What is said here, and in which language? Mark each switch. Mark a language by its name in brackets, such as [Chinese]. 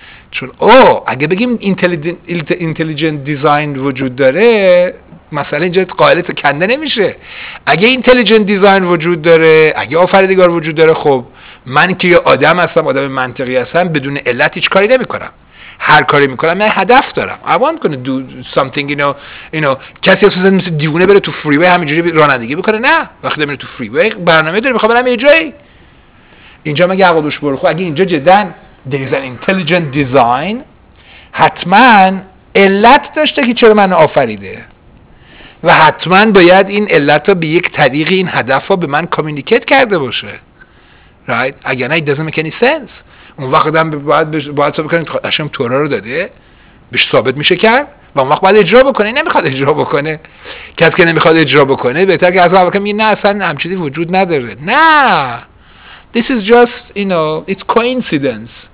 [Persian] چون اگه بگیم [English] intelligent design [Persian] وجود داره، مسئله اینجا قائله تو کنده نمیشه. اگه [English] intelligent design [Persian] وجود داره، اگه آفریدگار وجود داره، خب من که یه آدم هستم، آدم منطقی هستم، بدون علت هیچ کاری نمیکنم. هر کاری میکنم من هدف دارم. [English] I want to do something, you know. [Persian] کسی اساسا مثل دیوونه بره تو فری وی همینجوری رانندگی بکنه؟ نه. وقتی میره تو فری وی برنامه داره، میخوام برم یه جایی. اینجا مگه عقل دوش برو خو؟ اگه اینجا جدن [English] there is an intelligent design، [Persian] حتما علت داشته که چرا منو آفریده. و حتما باید این علت رو به یک طریقی این هدف رو به من کامیونیکیت کرده باشه. [English] Right? [Persian] اگه نه [English] it doesn't make any sense. [Persian] اون وقت هم باید ثابت کنید هشم تورا رو داده بهش ثابت میشه کرد و اون وقت باید اجرا بکنه. نمیخواد اجرا بکنه. کسی که نمیخواد اجرا بکنه بهتر که از اول بگه نه اصلا همچیزی وجود نداره. [English] نه this is just you know it's coincidence.